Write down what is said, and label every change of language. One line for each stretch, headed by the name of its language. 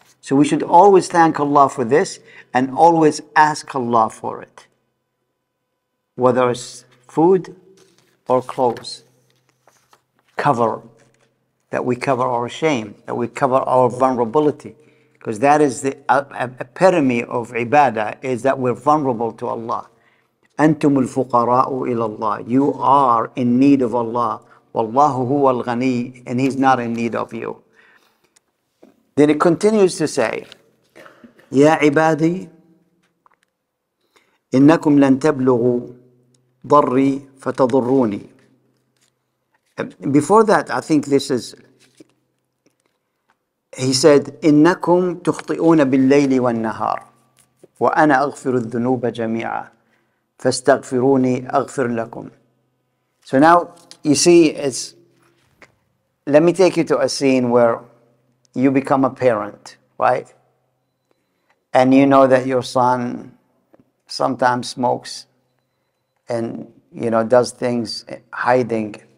English: So we should always thank Allah for this and always ask Allah for it, whether it's food or clothes, cover, that we cover our shame, that we cover our vulnerability. Because that is the epitome of ibadah, is that we're vulnerable to Allah.
Arabic: أنتم الفقراء إلى الله.
English: You are in need of Allah.
Arabic: والله هو الغني.
English: And He's not in need of you. Then it continues to say,
Arabic: يا عبادي إنكم لن تبلغوا ضري فتضروني.
English: Before that, I think this is, he said,
Arabic: إِنَّكُمْ تُخْطِئُونَ بِالْلَّيْلِ وَالنَّهَارِ وَأَنَا أَغْفِرُ الذُّنُوبَ جَمِيعًا فَاسْتَغْفِرُونِي أَغْفِرْ لَكُمْ.
English: So now, you see, it's, let me take you to a scene where you become a parent, right? And you know that your son sometimes smokes and, you know, does things hiding.